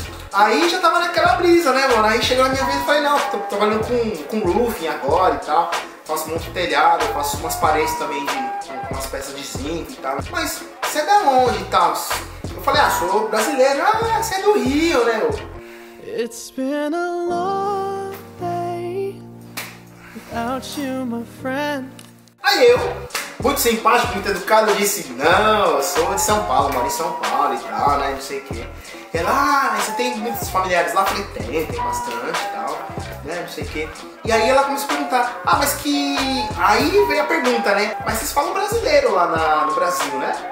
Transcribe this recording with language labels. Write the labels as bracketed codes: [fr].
[pt] Aí já tava naquela brisa, né, mano? Aí chegou a minha vez e falei, não, tô trabalhando com roofing agora e tal. Faço muito telhado, faço umas paredes também de umas peças de zinco e tal. Mas você é da onde e tal? Eu falei, ah, sou brasileiro. Ah, você é do Rio, né, mano? [en] It's been a long day without you, my friend. [pt] Aí eu, muito simpático, muito educado, eu disse, não, eu sou de São Paulo, moro em São Paulo e tal, né, não sei o quê. Ela, ah, você tem muitos familiares lá? Eu falei, tem bastante e tal, né, não sei o quê. E aí ela começou a perguntar, ah, mas que... Aí veio a pergunta, né, mas vocês falam brasileiro lá no Brasil, né?